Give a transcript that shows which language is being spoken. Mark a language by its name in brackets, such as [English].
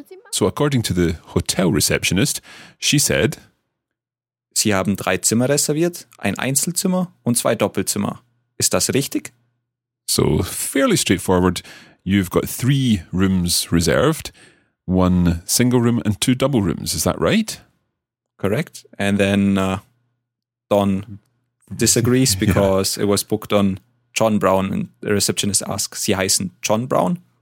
[English] So according to the hotel receptionist, she said, [German] Sie haben 3 Zimmer reserviert, ein Einzelzimmer und 2 Doppelzimmer. Ist das richtig? [English] So fairly straightforward, you've got 3 rooms reserved, 1 single room and 2 double rooms, is that right? Correct. And then Don disagrees because yeah. It was booked on John Brown, and the receptionist asks, [German] Sie heißen John Brown?